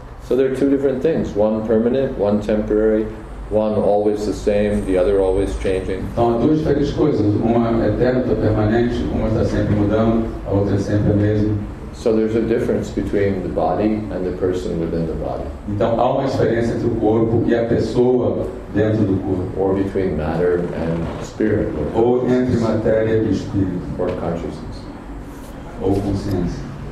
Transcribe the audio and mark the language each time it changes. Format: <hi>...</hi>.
<en>So there are two different things, one permanent, one temporary, one always the same, the other always changing.</en> <pt>Então há duas diferentes coisas, uma eterna, outra permanente, uma está sempre mudando, a outra é sempre a mesma.</pt> <en>So there's a difference between the body and the person within the body.</en> <pt>Então há uma diferença entre o corpo e a pessoa dentro do corpo.</pt> <en>Or between matter and spirit.</en> <pt>Ou entre matéria e espírito.</pt> <en>Or consciousness.</en> <pt>Ou consciência.</pt>